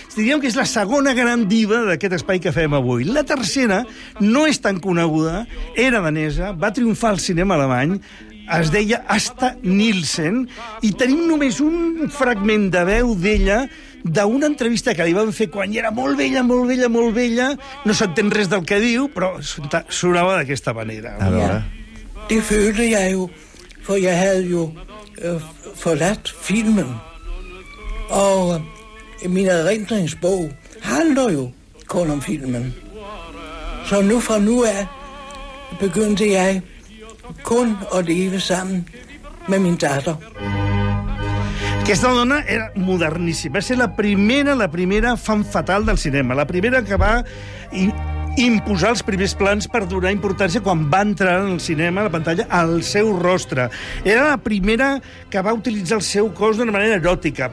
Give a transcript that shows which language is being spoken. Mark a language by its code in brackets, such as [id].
[ca] Diríem que és la segona gran diva d'aquest espai que fem avui. La tercera no és tan coneguda, era danesa, va triomfar al cinema alemany, es deia Asta Nielsen, i tenim només un fragment de veu d'ella d'una entrevista que li van fer quan era molt vella, molt vella, molt vella. No s'entén res del que diu, però sonava d'aquesta manera. A veure. [da] Die Vögel ja jo, for jeg havde jo forladt filmen. Og min erindringsbog handler jo kun om filmen. Så nu fra nu af begyndte jeg kun at leve sammen med min datter. [ca] Aquesta dona era moderníssima, va ser la primera femme fatale del cinema, la primera que va imposar els primers plans per donar importància quan va entrar en el cinema, a la pantalla, al seu rostre. Era la primera que va utilitzar el seu cos d'una manera eròtica.